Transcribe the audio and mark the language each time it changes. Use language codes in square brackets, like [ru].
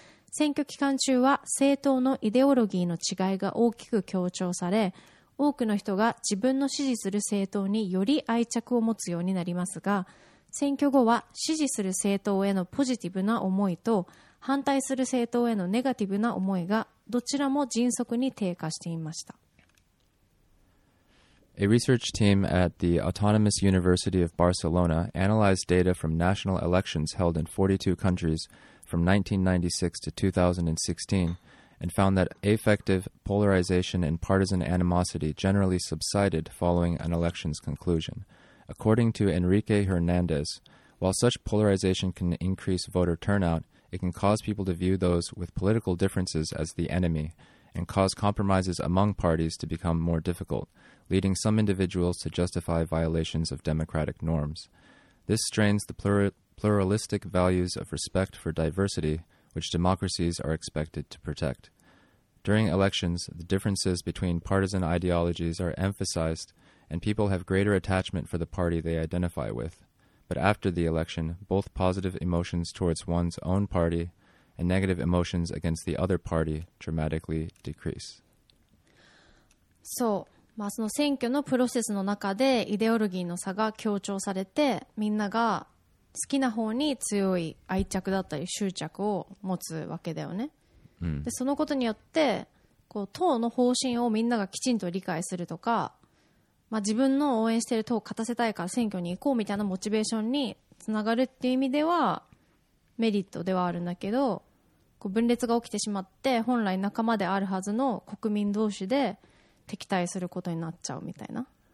[ja] 選挙期間中は政党のイデオロギーの違いが大きく強調され、多くの人が自分の支持する政党により愛着を持つようになりますが、選挙後は支持する政党へのポジティブな思いと反対する政党へのネガティブな思いがどちらも迅速に低下していました。 [en] A research team at the Autonomous University of Barcelona analyzed data from national elections held in 42 countries from 1996 to 2016 and found that affective polarization and partisan animosity generally subsided following an election's conclusion. According to Enrique Hernandez, while such polarization can increase voter turnout, it can cause people to view those with political differences as the enemy and cause compromises among parties to become more difficult. Leading some individuals to justify violations of democratic norms. This strains the pluralistic values of respect for diversity, which democracies are expected to protect. During elections, the differences between partisan ideologies are emphasized, and people have greater attachment for the party they identify with. But after the election, both positive emotions towards one's own party and negative emotions against the other party dramatically decrease. So... [ja] まあ、その選挙のプロセスの中でイデオロギーの差が強調されて、みんなが好きな方に強い愛着だったり執着を持つわけだよね、うん、でそのことによってこう党の方針をみんながきちんと理解するとか、まあ、自分の応援している党を勝たせたいから選挙に行こうみたいなモチベーションにつながるっていう意味ではメリットではあるんだけど、こう分裂が起きてしまって本来仲間であるはずの国民同士で敵対することになっちゃうみたいな、